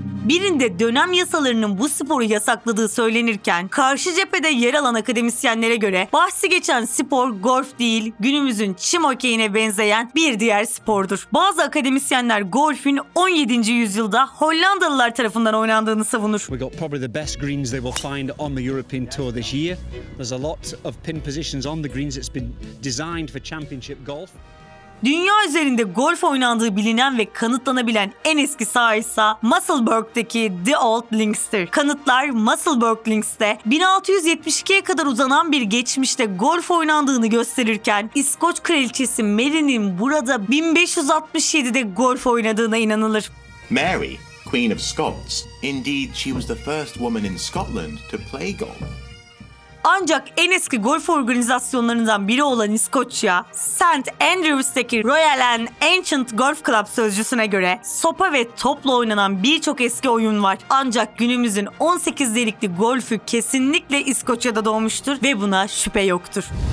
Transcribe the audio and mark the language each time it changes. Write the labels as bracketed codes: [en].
[tr] Birinde dönem yasalarının bu sporu yasakladığı söylenirken, karşı cephede yer alan akademisyenlere göre bahsi geçen spor golf değil, günümüzün çim hokeyine benzeyen bir diğer spordur. Bazı akademisyenler golfün 17. yüzyılda Hollandalılar tarafından oynandığını savunur. [en] We got probably the best greens they will find on the European Tour this year. There's a lot of pin positions on the greens. It's been designed for championship golf. [tr] Dünya üzerinde golf oynandığı bilinen ve kanıtlanabilen en eski saha ise Musselburgh'daki The Old Links'tir. Kanıtlar Musselburgh Links'te 1672'ye kadar uzanan bir geçmişte golf oynandığını gösterirken İskoç kraliçesi Mary'nin burada 1567'de golf oynadığına inanılır. [en] Mary, Queen of Scots. Indeed, she was the first woman in Scotland to play golf. [tr] Ancak en eski golf organizasyonlarından biri olan İskoçya, St. Andrew's'taki Royal and Ancient Golf Club sözcüsüne göre sopa ve topla oynanan birçok eski oyun var. Ancak günümüzün 18 delikli golfü kesinlikle İskoçya'da doğmuştur ve buna şüphe yoktur.